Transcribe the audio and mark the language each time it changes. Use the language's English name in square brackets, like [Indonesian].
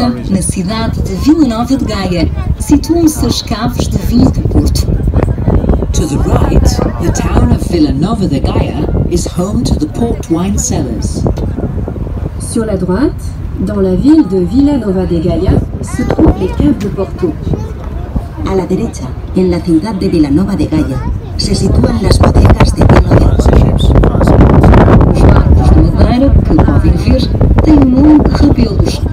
[Portuguese] Na cidade de Vila Nova de Gaia, situam-se as caves de vinho do Porto. [English] To the right, the town of Vila Nova de Gaia is home to the port wine cellars. [French] Sur la droite, dans la ville de Vila Nova de Gaia, se trouvent les caves de Porto. [Spanish] A la derecha, en la ciudad de Vila Nova de Gaia, se sitúan las bodegas de vino de Porto. [Portuguese] Os barcos de madeira, que podem ver, têm um monte de rebelos.